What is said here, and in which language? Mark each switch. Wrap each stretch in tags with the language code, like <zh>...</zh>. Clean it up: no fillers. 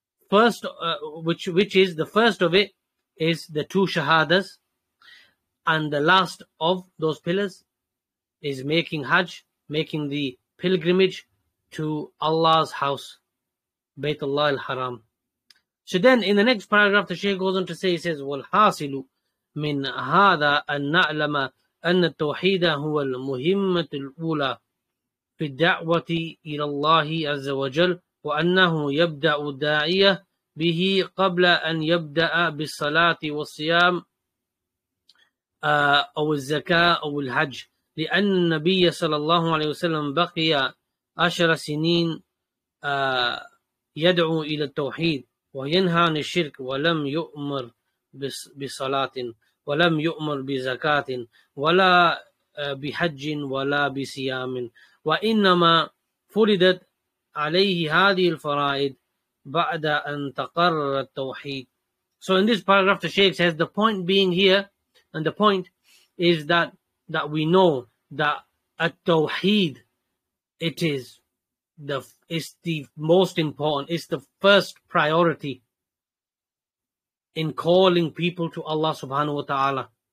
<en>First, which is the first of it, is the two shahadas. And the last of those pillars is making Hajj, making the pilgrimage to Allah's house, Baytullah al-Haram.</en> <ar>So then in the next paragraph, the Shaykh goes on to say, he says, وَالْحَاصِلُ مِنْ هَذَا أَنْ نَعْلَمَ أَنَّ التَّوْحِيدَ هُوَ الْمُهِمَّةُ الْأُولَى فِي الدَّعْوَةِ إِلَى اللَّهِ عَزَّ وَجَلْ وَأَنَّهُ يَبْدَأُ الدَّاعِيَ بِهِ قَبْلَ أَنْ يَبْدَأَ بِالصَّلَاةِ وَالصِّيَامِ أَوْ الزَّكَاءِ أَوْ الْحَجِّ لِأَنَّ النَّبِيَّ صَلَى اللَّهُ عَلَيْهِ وَسَلَّمَ بَقِيَ 10 سنين يدعو إلى التوحيد وينهى عن الشرك ولم يؤمر بصلاة ولم يؤمر بزكاة ولا بحج ولا بصيام وإنما فرضت عليه هذه الفرائض بعد أن تقرر التوحيد.</ar> <en>So in this paragraph the Shaykh says, the point being here, and the point is that we know that التوحيد, it's the most important, it's the first priority in calling people to Allah subhanahu wa ta'ala.</en>